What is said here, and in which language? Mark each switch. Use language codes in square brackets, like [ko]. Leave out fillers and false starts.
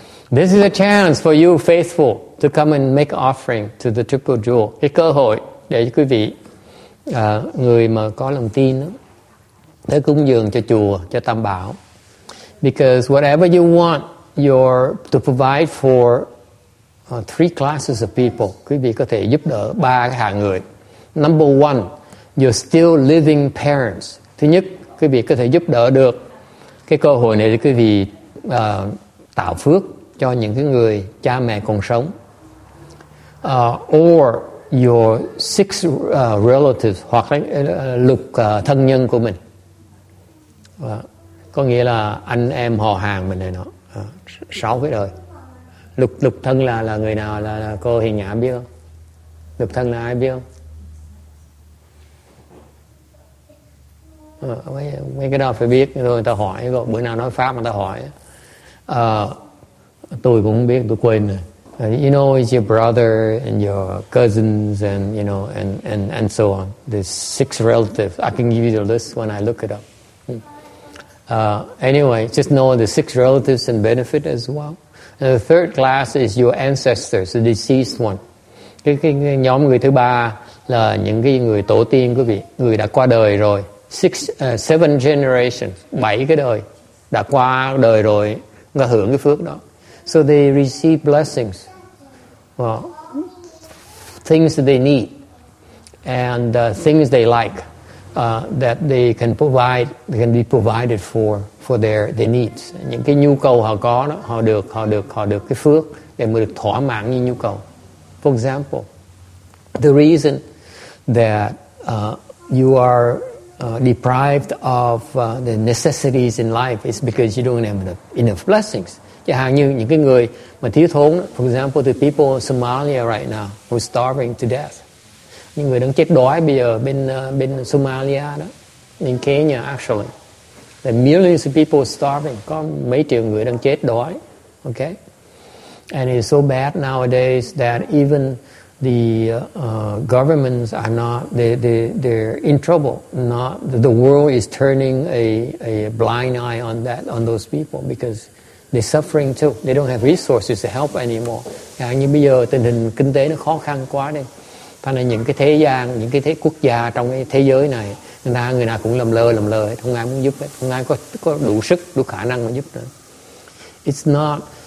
[en] This is a chance for you faithful to come and make offering to the Triple Jewel. [vi] Cái cơ hội để quý vị, người mà có lòng tin, tới cúng dường cho chùa, cho Tam Bảo. [en] Because whatever you want your to provide for 3 classes of people, [vi] quý vị có thể giúp đỡ 3 hạng người. [en] Number 1, you're still living parents. [vi] Thứ nhất, quý vị có thể giúp đỡ được cái cơ hội này để quý vị tạo phước cho những cái người cha mẹ còn sống. [en] Or your 6 relatives, [vi] hoặc là lục thân nhân của mình. Có nghĩa là anh em họ hàng mình này nọ, 6 cái đời. Lục thân là người nào là cô Hiền Nhã biết không? Lục thân là ai biết không? Mấy cái đó phải biết rồi ta hỏi, rồi bữa nào nói pháp mà ta hỏi. Tôi cũng không biết, tôi quên rồi. [en] You know, it's your brother and your cousins and you know and so on. There's 6 relatives. I can give you the list when I look it up. Anyway, just know the 6 relatives and benefit as well. And the third class is your ancestors, the deceased one. [vi] Cái nhóm người thứ ba là những cái người tổ tiên quý vị, người đã qua đời rồi. [en] 7 generations, [vi] 7 cái đời đã qua đời rồi, người hưởng cái phước đó. [en] So they receive blessings, well, things that they need, and things they like, that they can provide, they can be provided for their needs. [vi] Những cái nhu cầu họ có đó, họ được cái phước để mà được thỏa mãn những nhu cầu. [en] For example, the reason that you are deprived of the necessities in life is because you don't have enough blessings. [vi] Chẳng hạn như những cái người mà thiếu thốn, [en] for example, the people in Somalia right now who are starving to death. [vi] Những người đang chết đói bây giờ bên Somalia đó, [en] in Kenya actually. There are millions of people starving. [vi] Có mấy triệu người đang chết đói. [en] Okay? And it's so bad nowadays that even the governments are not, they're in trouble. Not the world is turning a blind eye on that, on those people, because they're suffering too. They don't have resources to help anymore. [vi] Chẳng như bây giờ tình hình kinh tế nó khó khăn quá đi. Thành ra những cái thế gian, những cái thế quốc gia trong cái thế giới này, người nào cũng lầm lơ, không ai muốn giúp hết, không ai có đủ sức, đủ khả năng mà giúp nữa.